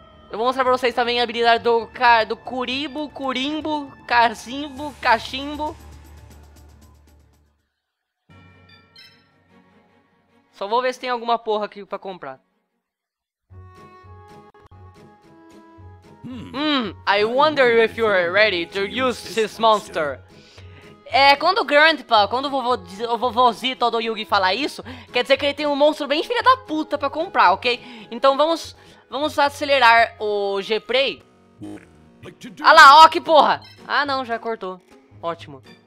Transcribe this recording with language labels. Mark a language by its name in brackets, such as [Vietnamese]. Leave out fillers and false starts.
[Portuguese] Eu vou mostrar pra vocês também a habilidade do Curibo, Curimbo, Carzimbo, Cachimbo. Só vou ver se tem alguma porra aqui pra comprar. [English] I wonder if you're ready to use this monster. [Portuguese] Quando o Grandpa, quando o vovôzito do Yugi fala isso, quer dizer que ele tem um monstro bem filha da puta pra comprar, ok? Então vamos acelerar o G-Prey. Ah lá, ó que porra! Ah não, já cortou. Ótimo.